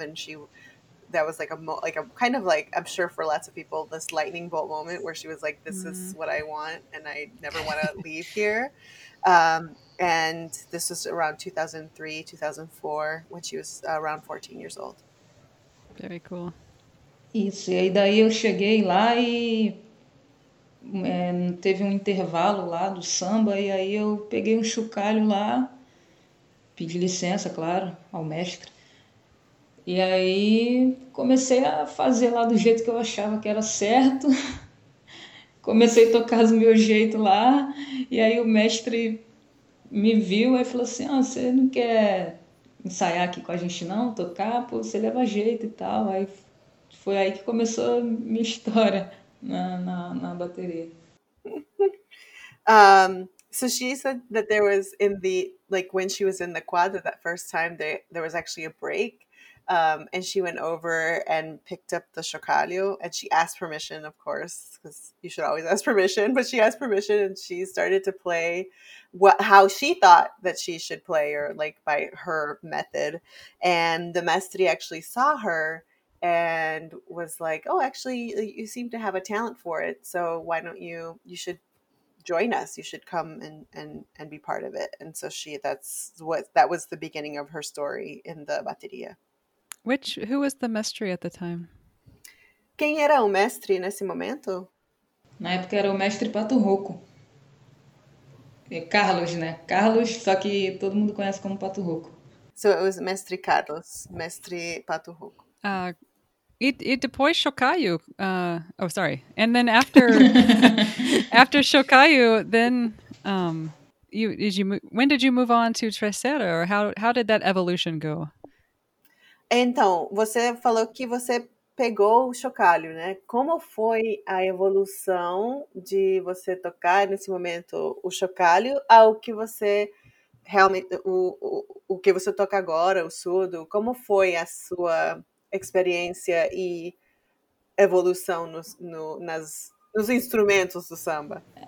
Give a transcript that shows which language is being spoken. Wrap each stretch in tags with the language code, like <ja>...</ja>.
<en>And she, that was like a kind of, I'm sure for lots of people, this lightning bolt moment where she was like, this is what I want, and I never want to leave here. And this was around 2003, 2004, when she was around 14 years old. Very cool.</en> <pt>Isso, e aí daí eu cheguei lá e teve um intervalo lá do samba, e aí eu peguei um chocalho lá, pedi licença, claro, ao mestre, e aí comecei a fazer lá do jeito que eu achava que era certo, comecei a tocar do meu jeito lá, e aí o mestre me viu e falou assim, ah, você não quer ensaiar aqui com a gente não, tocar, pô, você leva jeito e tal. Aí foi aí que começou a minha história na bateria.</pt> <en>So she said that there was in the, like when she was in the quadra that first time, there was actually a break. And she went over and picked up the chocalho, and she asked permission, of course, because you should always ask permission, but she asked permission and she started to play how she thought that she should play, or like by her method. And the mestre actually saw her and was like, oh, actually, you seem to have a talent for it. So why don't you should join us. You should come and be part of it. And so that was the beginning of her story in the bateria. Who was the mestre at the time?</en> <pt>Quem era o mestre nesse momento? Na época era o mestre Pato Rocco. Carlos, né? Carlos, só que todo mundo conhece como Pato Rocco.</pt> <en>So it was mestre Carlos, mestre Pato Rocco.</en> <pt>E depois Chocalho.</pt> <en>And then after after Chocalho, then when did you move on to Tresera? Or how did that evolution go?</en> <pt>Então, você falou que você pegou o chocalho, né? Como foi a evolução de você tocar nesse momento o chocalho ao que você realmente, o que você toca agora, o surdo? Como foi a sua experiência e evolução nos instrumentos do samba?</pt>